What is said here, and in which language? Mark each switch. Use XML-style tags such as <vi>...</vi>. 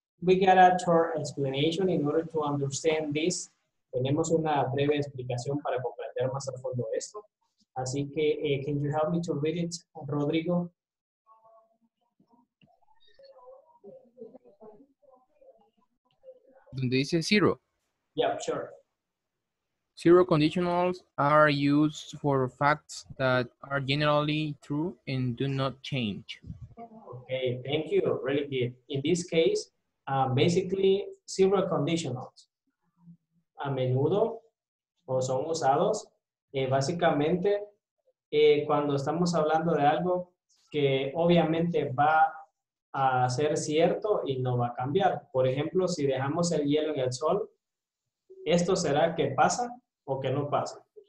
<en>We got a short explanation in order to understand this.</en> <es>Tenemos una breve explicación para comprender más a fondo esto. Así que,</es> <en>can you help me to read it, Rodrigo?</en> <es>Donde dice zero.</es> <en>Yeah, sure. Zero conditionals are used for facts that are generally true and do not change. Okay, thank you. Really good. In this case, basically, zero conditionals.</en> <es>a menudo o son usados básicamente cuando estamos hablando de algo que obviamente va a ser cierto y no va a cambiar. Por ejemplo, si dejamos el hielo en el sol, ¿esto será que pasa o que no pasa?</es>